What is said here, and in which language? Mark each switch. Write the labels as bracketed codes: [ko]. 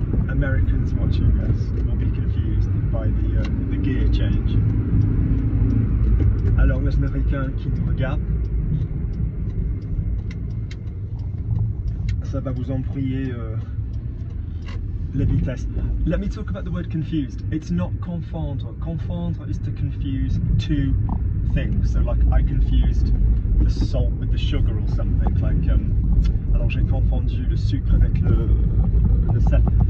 [en] Americans watching us will be confused by the gear change. [fr] Alors les Américains qui nous regardent, ça va vous embrouiller les vitesses. [en] Let me talk about the word confused. It's not confondre. Confondre is to confuse two things. So like I confused the salt with the sugar or something. [fr] Like alors j'ai confondu le sucre avec le sel.